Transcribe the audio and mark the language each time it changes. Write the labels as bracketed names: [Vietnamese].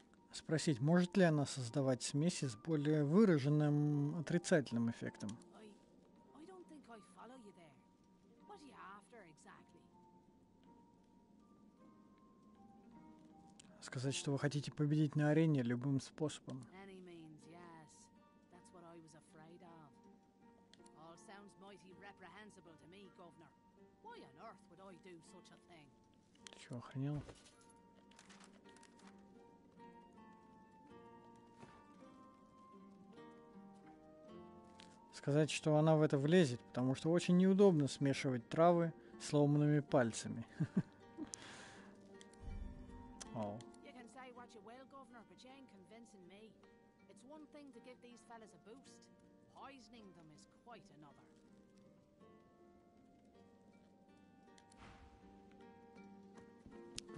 [Russian] Спросить, может ли она создавать смеси с более выраженным отрицательным эффектом? [English] I don't think I follow you there. What are you after exactly? [Russian] Сказать, что вы хотите победить на арене любым способом. [English] Any means, yes. That's what I was afraid of. All sounds mighty reprehensible to me, Governor. Why on earth would I do such a thing? [Russian] Чё, охренел? Сказать, что она в это влезет, потому что очень неудобно смешивать травы сломанными пальцами. [English] You can say what you will, Governor, but you ain't convincing me. It's one thing to give these fellas a boost. Poisoning them is quite another.